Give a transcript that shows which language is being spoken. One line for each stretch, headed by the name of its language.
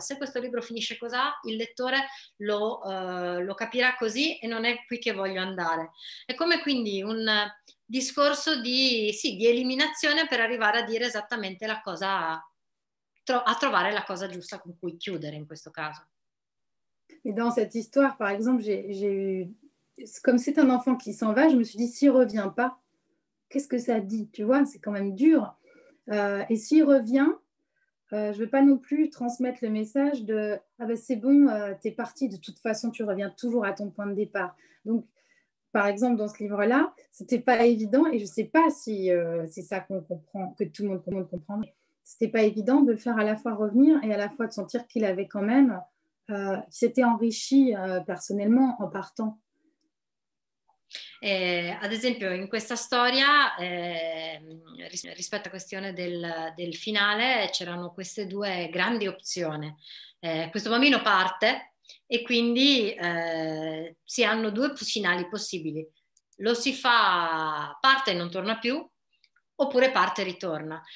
Italian: Se questo libro finisce così, il lettore lo capirà così e non è qui che voglio andare. È come quindi un discorso di eliminazione per arrivare a dire esattamente la cosa, a trovare la cosa giusta con cui chiudere in questo caso.
French: E dans cette histoire, par exemple, j'ai eu, comme c'est un enfant qui s'en va, je me suis dit, s'il revient pas, qu'est-ce que ça dit? Tu vois, c'est quand même dur. Et s'il revient, je veux pas non plus transmettre le message de « Ah ben c'est bon, t'es parti, de toute façon tu reviens toujours à ton point de départ ». Donc, par exemple, dans ce livre-là, c'était pas évident, et je sais pas si c'est ça qu'on comprend, que tout le monde comprend, c'était pas évident de le faire à la fois revenir et à la fois de sentir qu'il avait quand même, qu'il s'était enrichi personnellement en partant.
Italian: Ad esempio in questa storia rispetto alla questione del finale c'erano queste due grandi opzioni. Questo bambino parte e quindi si hanno due finali possibili: lo si fa parte e non torna più, oppure parte e ritorna.